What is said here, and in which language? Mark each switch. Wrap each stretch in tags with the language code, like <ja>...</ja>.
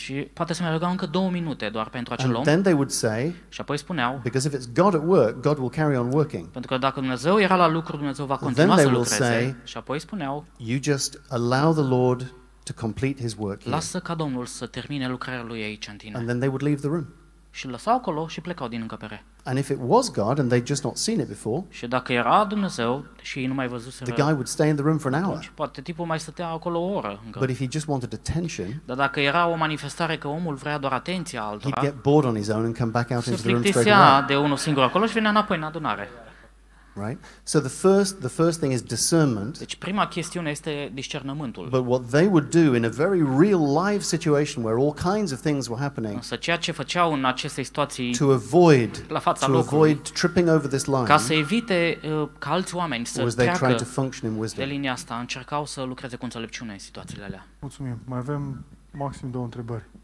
<ro>Și poate să mai rugau încă 2 minute doar pentru acel om.</ro> <en>And then they would say.</en> <ro>Și apoi spuneau.</ro> <en>Because if it's God at work, God will carry on working.</en> <ro>Pentru că dacă Dumnezeu era la lucru, Dumnezeu va continua să lucreze.</ro> <en>Then they would say.</en> <ro>Și apoi spuneau.</ro> <en>You just allow the Lord to complete His work.</en> <ro>Lasă ca Domnul să termine lucrarea lui aici în tine.</ro> <en>And then they would leave the room.</en> <ro>Și lăsau acolo și plecau din încăpere.</ro> <en>And if it was God and they'd just not seen it before.</en> <ro>Și dacă era Dumnezeu și ei nu mai văzuseră.</ro> <en>The guy would stay in the room for an hour.</en> <ro>Poate tipul mai stătea acolo o oră încă.</ro> <en>But if he just wanted attention.</en> <ro>Dar dacă era o manifestare că omul vrea doar atenția altora.</ro> <en>He'd get bored on his own and come back out into the room straight away.</en> <ro>De unul singur acolo și venea înapoi în adunare.</ro> <en>Right? So the first thing is discernment.</en> <ro>Deci prima chestiune este discernământul.</ro> <en>But what they would do in a very real life situation where all kinds of things were happening.</en> <ro>Însă ceea ce făceau în aceste situații.</ro> <en>To avoid</en> <ro>la fața</ro> <en>to</en> <ro>locului,</ro> <en>avoid tripping over this line.</en> <ro>Ca să evite ca alți oameni să</ro> <en>treacă. They tried to function in wisdom.</en> <ro>De linia asta încercau să lucreze cu înțelepciune în situațiile alea. Mulțumim. Mai avem maxim 2 întrebări.</ro>